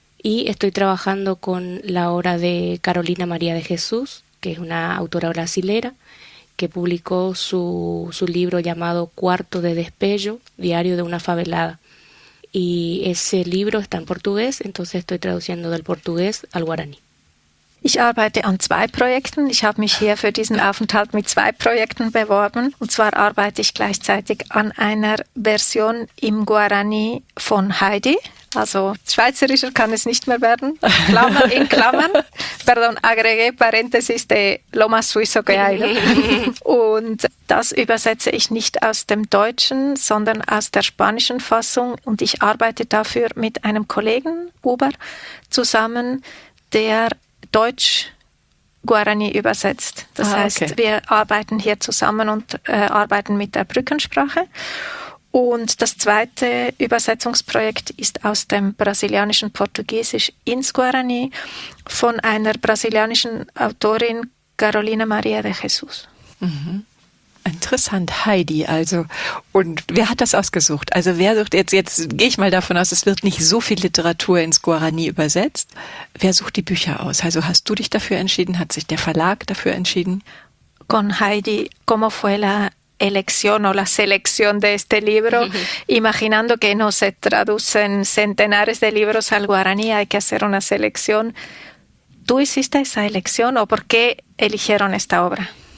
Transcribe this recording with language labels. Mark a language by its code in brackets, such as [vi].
[es] Y estoy trabajando con la obra de Carolina María de Jesús, que es una autora brasilera, que publicó su libro llamado Cuarto de Despello, Diario de una Favelada. Y ese libro está en portugués, entonces estoy traduciendo del portugués al guaraní. [de] Ich arbeite an zwei Projekten. Ich habe mich hier für diesen Aufenthalt mit zwei Projekten beworben. Und zwar arbeite ich gleichzeitig an einer Version im Guarani von Heidi. Also schweizerischer kann es nicht mehr werden. Klammern in Klammern. [es] Pardon, agregué paréntesis de lo más suizo que hay. [de] Und das übersetze ich nicht aus dem Deutschen, sondern aus der spanischen Fassung. Und ich arbeite dafür mit einem Kollegen, Uber, zusammen, der Deutsch Guarani übersetzt. Das heißt, wir arbeiten hier zusammen und arbeiten mit der Brückensprache. Und das zweite Übersetzungsprojekt ist aus dem brasilianischen Portugiesisch ins Guarani von einer brasilianischen Autorin, Carolina Maria de Jesus. Mhm. Interessant, Heidi. Also, und wer hat das ausgesucht? Also, wer sucht jetzt gehe ich mal davon aus, es wird nicht so viel Literatur ins Guarani übersetzt. Wer sucht die Bücher aus? Also, hast du dich dafür entschieden? Hat sich der Verlag dafür entschieden? [es] Con Heidi, ¿cómo fue la elección o la selección de este libro? Imaginando que no se traducen centenares de libros al Guarani, hay que hacer una selección. ¿Tú hiciste esa elección o por qué eligieron esta obra?